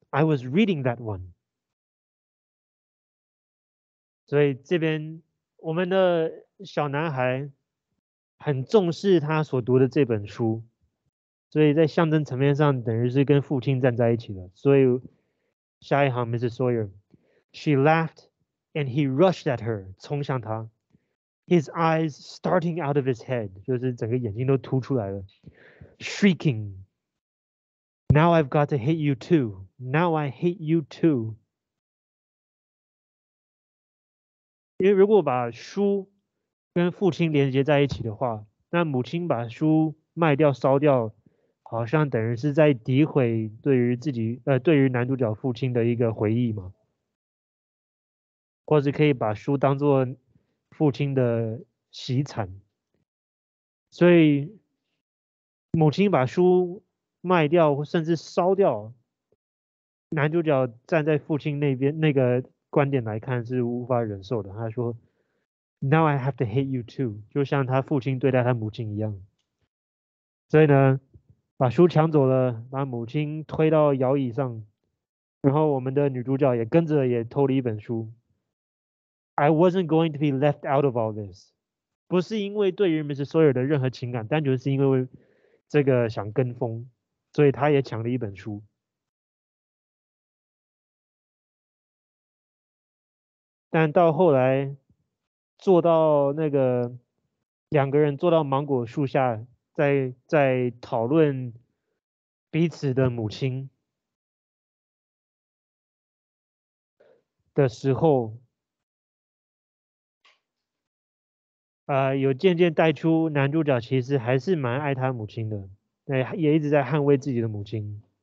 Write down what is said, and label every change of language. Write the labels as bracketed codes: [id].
[en] I was reading that one. [zh] 所以这边我们的小男孩很重视他所读的这本书，所以在象征层面上等于是跟父亲站在一起了。所以下一行 ，Mrs. [en] Sawyer, she laughed, and he rushed at her, [zh] 冲向他。 [en] His eyes starting out of his head, [zh] 就是整个眼睛都凸出来了。 [en] Shrieking, now I've got to hit you too. Now I hate you too. [zh] 因为如果把书跟父亲连接在一起的话，那母亲把书卖掉烧掉，好像等于是在诋毁对于自己，对于男主角父亲的一个回忆嘛。或者可以把书当作父亲的喜惨，所以母亲把书卖掉甚至烧掉，男主角站在父亲那边那个观点来看是无法忍受的。他说 [en] Now I have to hate you too, [zh] 就像他父亲对待他母亲一样。所以呢，把书抢走了，把母亲推到摇椅上，然后我们的女主角也跟着也偷了一本书。 [en] I wasn't going to be left out of all this. [zh] 不是因为对于 Mrs. Sawyer 的任何情感，单纯是因为这个想跟风，所以他也抢了一本书。但到后来，坐到那个两个人坐到芒果树下，在讨论彼此的母亲的时候，有渐渐带出男主角其实还是蛮爱他母亲的，对，也一直在捍卫自己的母亲。